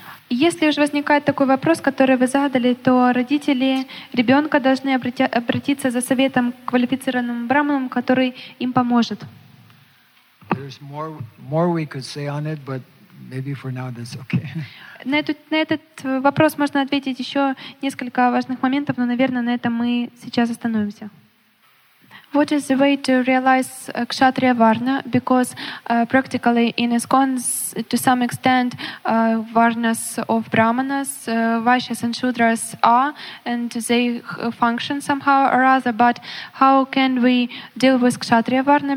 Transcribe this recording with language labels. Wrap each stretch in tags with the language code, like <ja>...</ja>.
<ru>Если уж возникает такой вопрос, который вы задали, то родители ребенка должны обратиться за советом к квалифицированному брахману, который им поможет.</ru> <en>There's more we could say on it, but maybe for now that's okay.</en> <ru>На этот вопрос можно ответить еще несколько важных моментов, но, наверное, на этом мы сейчас остановимся.</ru> <en>What is the way to realize Kshatriya Varna? Because practically in ISKCON, to some extent, Varnas of Brahmanas, Vaishyas and Shudras are, and they function somehow or other, but how can we deal with Kshatriya Varna?</en>